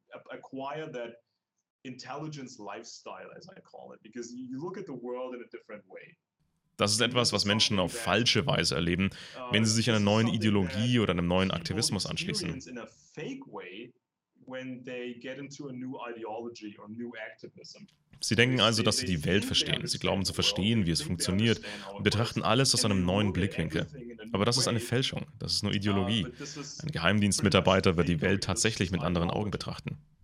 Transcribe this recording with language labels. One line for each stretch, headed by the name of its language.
English: Acquire that intelligence lifestyle, as I call it, because you look at the world in a different way.
German: Das ist etwas, was Menschen auf falsche Weise erleben, wenn sie sich einer neuen Ideologie oder einem neuen Aktivismus anschließen.
English: In a fake way, when they get into a new ideology or new activism.
German: Sie denken also, dass sie die Welt verstehen. Sie glauben zu verstehen, wie es funktioniert und betrachten alles aus einem neuen Blickwinkel. Aber das ist eine Fälschung. Das ist nur Ideologie. Ein Geheimdienstmitarbeiter wird die Welt tatsächlich mit anderen Augen betrachten.